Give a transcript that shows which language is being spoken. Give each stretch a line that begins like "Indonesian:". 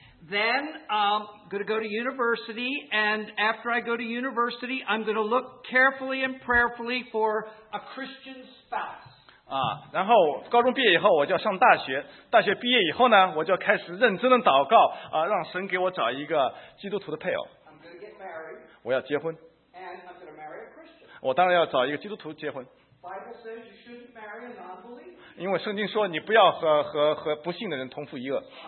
English: Then I'm going to go to university, and after I go to university, I'm going to look carefully and prayerfully for a Christian spouse.
Chinese: 啊，然后高中毕业以后我就要上大学，大学毕业以后呢，我就开始认真的祷告啊，让神给我找一个基督徒的配偶。
English: I'm going to get married.
Chinese: 我要结婚。
English: And I'm going to marry a Christian.
Chinese: 我当然要找一个基督徒结婚。
English: Bible says you shouldn't marry a non-believer.
Chinese: 因为圣经说你不要和不信的人同父异母。